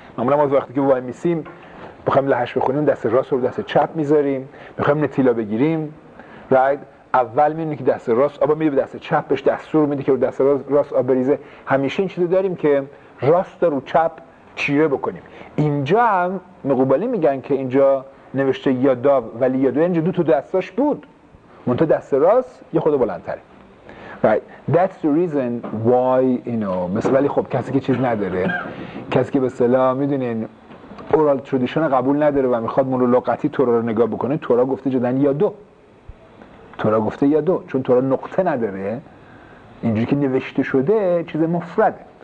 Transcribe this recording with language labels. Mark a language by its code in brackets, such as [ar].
[fa] معمولا ما وقتی که وای میسیم بخوایم لحش بخونیم دست راست رو دست چپ میذاریم، بخوایم نتیلا بگیریم رایت اول میدونی که دست راست آبا میده به دست چپ، بهش دستور میده که رو دست راست آب بریزه. همیشه این چیزو داریم که راست رو چپ چیره بکنیم. اینجا هم مقوبلی میگن که اینجا نوشته یاداو ولی یادو، اینجا دو تا دستاش بود منتها دست راست یه خود بلندتره. [en] Right, that's the reason why you know. [fa] مثلا ولی خب کسی که چیز نداره، کسی که به اصطلاح میدونین اورال تردیشن قبول نداره و میخواد منو لغتی تورا رو نگاه بکنه، تورا گفته جدن یادو، تورا گفته یادو، چون تورا نقطه نداره اینجوری که نوشته شده چیز مفرده.